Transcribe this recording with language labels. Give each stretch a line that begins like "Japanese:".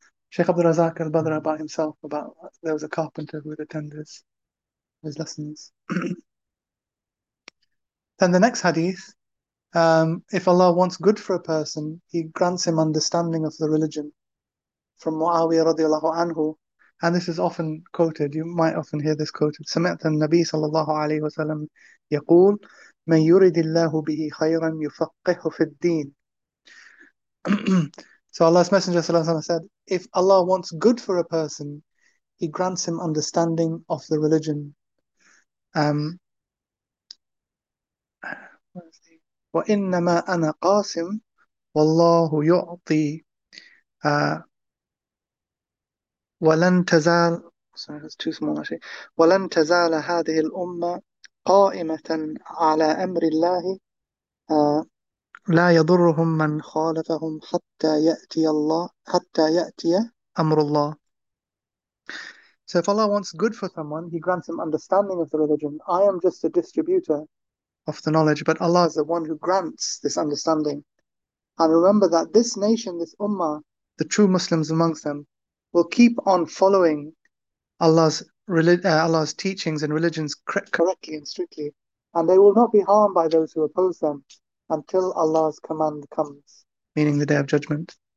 English: Sheikh Abdul Razak al-Badr about himself, about there was a carpenter who had attended his lessons. Then the next hadith, if Allah wants good for a person, He grants him understanding of the religion, from Muawiyah radiallahu anhu, and this is often quoted. You might often hear this quoted.
Arabic: سمعت النبي صلى الله عليه وسلم يقول من يريد الله به خيرا يفقهه في الدين. So Allah's Messenger صلى الله عليه وسلم said, if Allah wants good for a person, He grants him understanding of the religion. وإنما أنا قاسم والله يعطي ولن تزال
English: sorry, that's too small actually.
Arabic: ولن تزال هذه الأمة قائمة على أمر الله لا يضرهم من خالفهم حتى يأتي الله حتى يأتي أمر الله.
English: So if Allah wants good for someone, He grants him understanding of the religion. I am just a distributor of the knowledge, but Allah is the one who grants this understanding. And remember that this nation, this ummah, the true Muslims amongst them, will keep on following Allah's teachings and religions correctly and strictly, and they will not be harmed by those who oppose them until Allah's command comes, meaning the Day of Judgment.